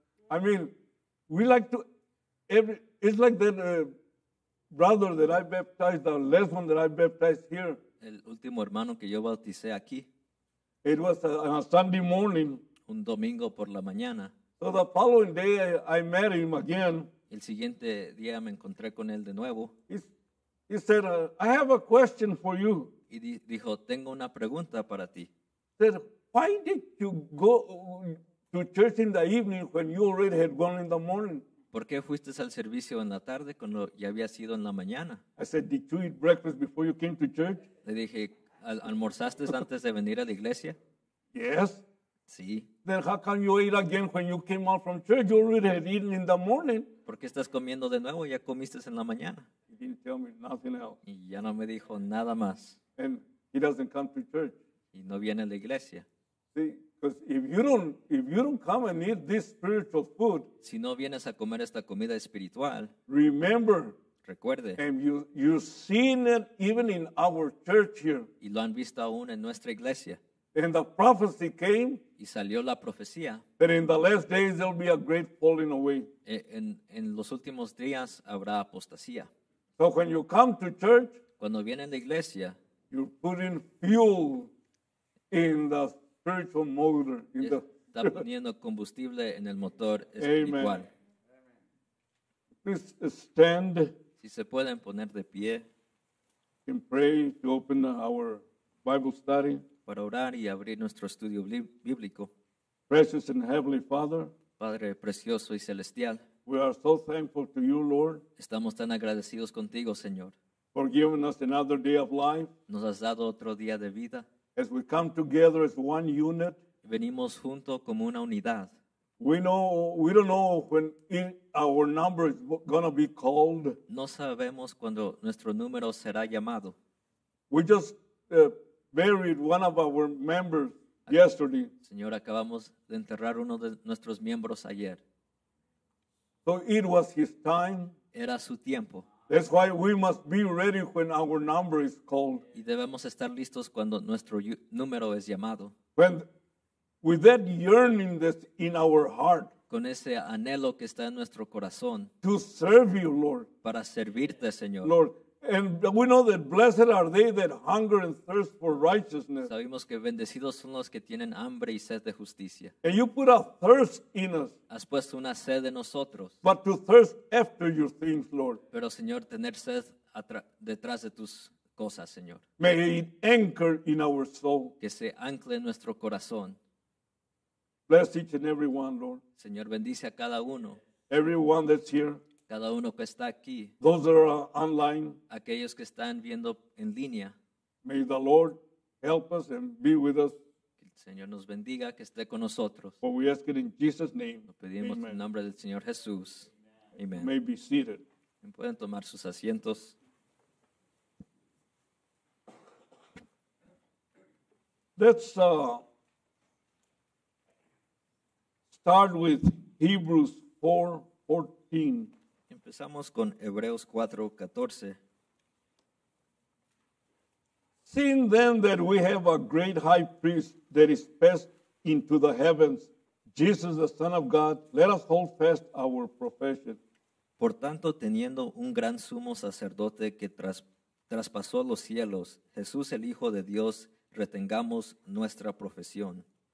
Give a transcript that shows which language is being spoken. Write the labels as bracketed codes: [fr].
[en] I mean, we like to, it's like that brother that I baptized, the last one that I baptized here. [es] El último hermano que yo bauticé aquí. [en] It was on a Sunday morning. [es] Un domingo por la mañana. [en] So the following day I met him again. [es] El siguiente día me encontré con él de nuevo. [en] He said, I have a question for you. [es] Y dijo, tengo una pregunta para ti. [en] Said, why did you go to church in the evening when you already had gone in the morning? [es] ¿Por qué fuiste al servicio en la tarde cuando ya había sido en la mañana? [en] I said, did you eat breakfast before you came to church? [es] Le dije, ¿almorzaste antes de venir a la iglesia? [en] Yes. [es] Sí. [en] Then how come you ate again when you came out from church? You already had eaten in the morning. [es] ¿Por qué estás comiendo de nuevo? Ya comiste en la mañana. [en] He didn't tell me nothing else. [es] Y ya no me dijo nada más. [en] And he doesn't come to church. [es] Y no viene a la iglesia. [en] See, because if you don't come and eat this spiritual food, [es] si no vienes a comer esta comida espiritual, [en] remember, [es] recuerde, [en] and you've seen it even in our church here. [es] Y lo han visto aún en nuestra iglesia. [en] And the prophecy came. [es] Y salió la profecía. [en] That in the last days there will be a great falling away. [es] En los últimos días habrá apostasía. [en] So when you come to church, [es] cuando vienen la iglesia, [en] you're putting fuel in the spiritual motor. [es] Está poniendo combustible en el motor espiritual. [en] Amen. Please stand. [es] Si se pueden poner de pie. [en] And pray to open our Bible study. [es] Para orar y abrir nuestro estudio bíblico. [en] Precious and heavenly Father, [es] Padre precioso y celestial, [en] we are so thankful to you, Lord. [es] Estamos tan agradecidos contigo, Señor. [en] For giving us another day of life. [es] Nos has dado otro día de vida. [en] As we come together as one unit, [es] venimos junto como una unidad. [en] We don't know when our number is going to be called. [es] No sabemos cuando nuestro número será llamado. [en] We just buried one of our members yesterday. [es] Señor, acabamos de enterrar uno de nuestros miembros ayer. [en] So it was his time. [es] Era su tiempo. [en] That's why we must be ready when our number is called. [es] Y debemos estar listos cuando nuestro número es llamado. [en] When, with that yearning that's in our heart. [es] Con ese anhelo que está en nuestro corazón. [en] To serve you, Lord. [es] Para servirte, Señor. [en] Lord. And we know that blessed are they that hunger and thirst for righteousness. [es] Sabemos que bendecidos son los que tienen hambre y sed de justicia. [en] And you put a thirst in us. [es] Has puesto una sed en nosotros. [en] But to thirst after your things, Lord. [es] Pero Señor, tener sed detrás de tus cosas, Señor. [en] May it anchor in our soul. [es] Que se ancle en nuestro corazón. [en] Bless each and every one, Lord. [es] Señor, bendice a cada uno. [en] Everyone that's here. [es] Cada uno que está aquí, [en] those that are online, [es] aquellos que están viendo en línea, [en] may the Lord help us and be with us. [es] Que el Señor nos bendiga, que esté con nosotros. [en] For we ask it in Jesus' name. [es] Lo pedimos en el nombre del Señor Jesús. [en] Amen. May be seated. [es] Pueden tomar sus asientos. [en] Let's start with Hebrews 4:14. [es] Empezamos con Hebreos 4:14. [en] Seeing then that we have a great high priest that is passed into the heavens, Jesus the Son of God, let us hold fast our profession. [es] Por tanto, teniendo un gran sumo sacerdote que traspasó los cielos, Jesús el Hijo de Dios, retengamos nuestra profesión.